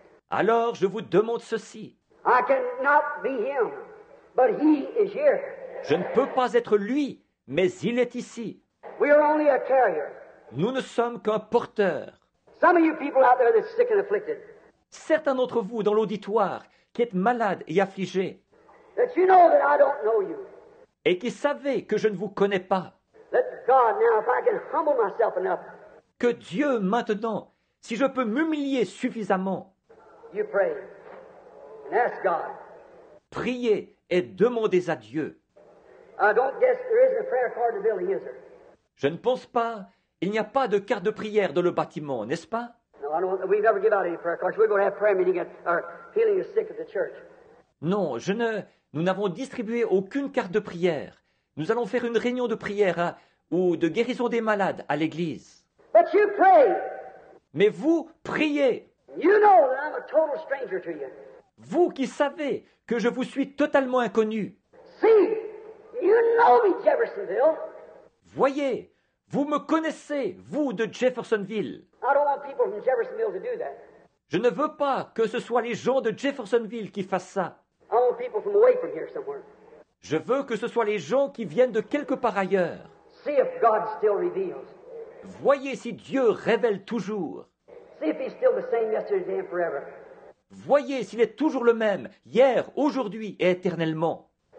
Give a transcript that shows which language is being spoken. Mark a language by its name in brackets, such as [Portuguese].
[French] Alors je vous demande ceci. [English] I cannot be him, but he is here. [French] Je ne peux pas être lui, mais il est ici. [English] We are only a carrier. [French] Nous ne sommes qu'un porteur. [English] Some of you people out there that's sick and afflicted. [French] Certains d'entre vous dans l'auditoire qui êtes malades et affligés. [English] That you know that I don't know you. [French] Et qui savez que je ne vous connais pas. [English] Let God, now, if I can humble myself enough, [French] que Dieu, maintenant, si je peux m'humilier suffisamment, [English] you pray and ask God. [French] Priez et demandez à Dieu. [English] I don't guess there is a prayer card to build, is there? [French] Je ne pense pas, il n'y a pas de carte de prière dans le bâtiment, n'est-ce pas? [English] No, I don't, we never give out any prayer cards. We're going to have prayer meeting at our healing the sick at the church. [French] Non, je ne... Nous n'avons distribué aucune carte de prière. Nous allons faire une réunion de prière à, ou de guérison des malades à l'église. [English] But you pray. [French] mais vous priez. [English] You know that I'm a total stranger to you. [French] Vous qui savez que je vous suis totalement inconnu. [English] See, you know me, Jeffersonville. [French] Voyez, vous me connaissez, vous de Jeffersonville. [English] I don't want people from Jeffersonville to do that. [French] Je ne veux pas que ce soit les gens de Jeffersonville qui fassent ça. [English] I want people from away from here somewhere. [French] Je veux que ce soit les gens qui viennent de quelque part ailleurs. [English] See if God still reveals. [French] Voyez si Dieu révèle toujours. [English] See if he's still the same yesterday and forever. [French] Voyez s'il est toujours le même, hier, aujourd'hui et éternellement.